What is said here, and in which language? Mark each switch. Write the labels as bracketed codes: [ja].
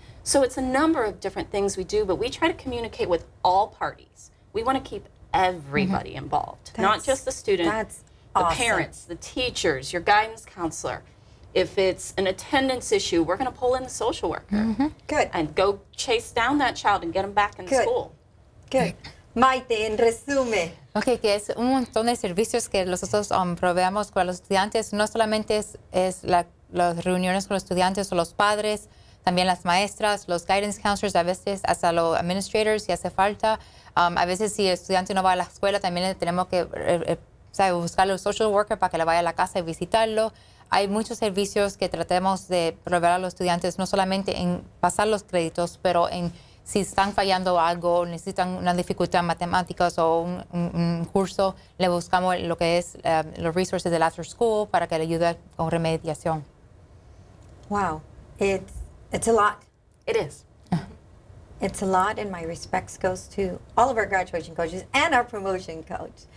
[en] So it's a number of different things we do, but we try to communicate with all parties. We want to keep everybody involved, not just the student. That's the awesome. Parents, the teachers, your guidance counselor. If it's an attendance issue, we're going to pull in the social worker. Mm-hmm. Good. And go chase down that child and get them back in Good. School. Good. [es] Maite, en resumen. Ok, que es un montón de servicios que nosotros proveemos con los estudiantes. No solamente las reuniones con los estudiantes o los padres, también las maestras, los [en] guidance counselors, [es] a veces hasta los administrators si hace falta. A veces si el estudiante no va a la escuela, también tenemos que buscar un [en] social worker [es] para que le vaya a la casa y visitarlo. Hay muchos servicios que tratemos de proveer a los estudiantes, no solamente en pasar los créditos, pero en si están fallando algo, necesitan una dificultad en matemáticas o un curso, le buscamos lo que es los resources del [en] after school [es] para que le ayude con remediación. [en] Wow, it's a lot. It is. It's a lot, and my respects goes to all of our graduation coaches and our promotion coach.